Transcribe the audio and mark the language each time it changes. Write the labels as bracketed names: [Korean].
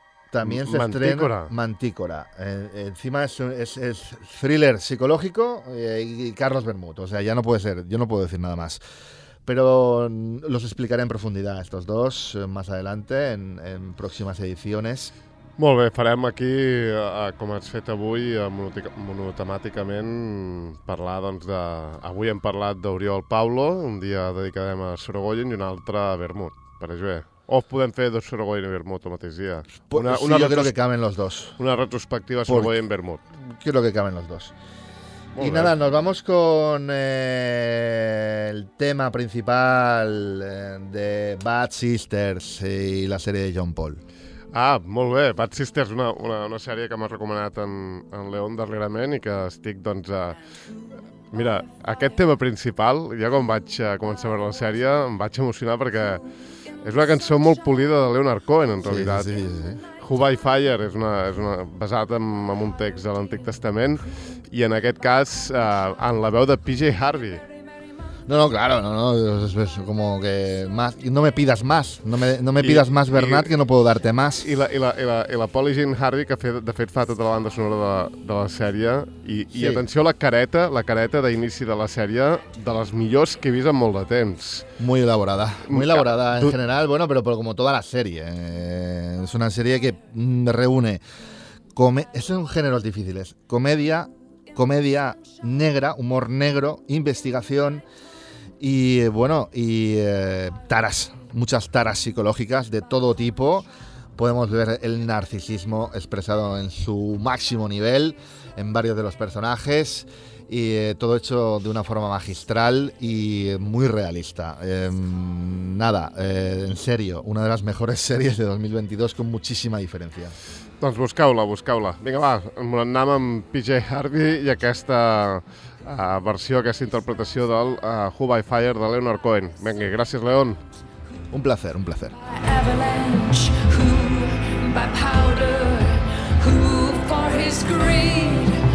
[Spanish] También se estrena Mantícora. Encima es thriller psicológico y Carlos Bermúdez. O sea, ya no puede ser. Yo no puedo decir nada más. Pero los explicaré en profundidad estos dos más adelante en próximas ediciones. [Catalan] Molt bé, farem aquí, com has fet avui, monotemàticament, parlar doncs, de... Avui hem parlat d'Oriol Paulo, un dia dedicarem a Sorgoyen i un altre a Bermúdez. Pareix bé. O podem fer dos Sorgoyen i Bermúdez el mateix dia. Sí, jo crec que [Spanish] caben los dos. [Catalan] Una retrospectiva Sorgoyen i Bermúdez. [Spanish] Creo que caben los dos. Y nada, nos vamos con el tema principal de Bad Sisters y la serie de John Paul. [Catalan] Ah, molt bé. Bad Sisters, una sèrie que m'ha recomanat en León darrerament i que estic, doncs, a... Mira, aquest tema principal, ja quan vaig començar a veure la sèrie, em vaig emocionar perquè... És una cançó molt polida de Leonard Cohen, en realitat. Sí, sí, sí. Who by Fire és una basat en un text de l'Antic Testament i en aquest cas en la veu de PJ Harvey. [Spanish] No, claro, es como que más, no me pidas más, pidas más, Bernat, que no puedo darte más. [Catalan] I la Polly Jean Harvey, que de fet fa tota la banda sonora de la sèrie, i atenció a la careta d'inici de la sèrie, de les millors que he vist en molt de temps. [Spanish] Muy elaborada en general, bueno, pero como toda la serie. Es una serie que reúne, son géneros difíciles, comedia negra, humor negro, investigación... Y bueno, taras, muchas taras psicológicas de todo tipo. Podemos ver el narcisismo expresado en su máximo nivel en varios de los personajes. Y todo hecho de una forma magistral y muy realista. En serio, una de las mejores series de 2022 con muchísima diferencia. [Catalan] Doncs busqueu-la. Vinga, va, anem amb PJ Harvey i aquesta... versió, aquesta interpretació del Who by Fire de Leonard Cohen. Vinga, gràcies, León. [Spanish] Un placer. [English] Avalanche, who by powder, who for his grace.